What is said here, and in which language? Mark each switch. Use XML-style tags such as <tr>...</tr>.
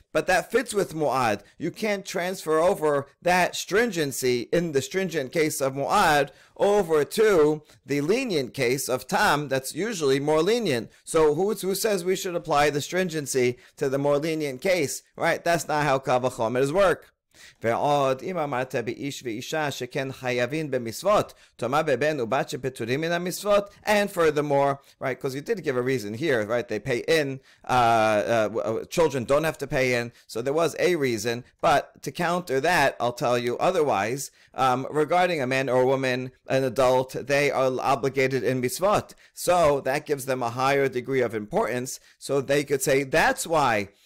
<en>But that fits with Mu'ad. You can't transfer over that stringency in the stringent case of Mu'ad over to the lenient case of Tam, that's usually more lenient. So who says we should apply the stringency to the more lenient case, right? That's not how Kal v'chomer's work.</en> <he>ועוד אם אמרת באיש ואישה שכן חייבים במצוות תומה בבן ובת שפטורים מן המצוות.</he> <en>And furthermore, right, because you did give a reason here, right, they pay in, children don't have to pay in, so there was a reason, but to counter that, I'll tell you otherwise, regarding a man or a woman, an adult, they are obligated in mitzvot, so that gives them a higher degree of importance, so they could say that's why</en>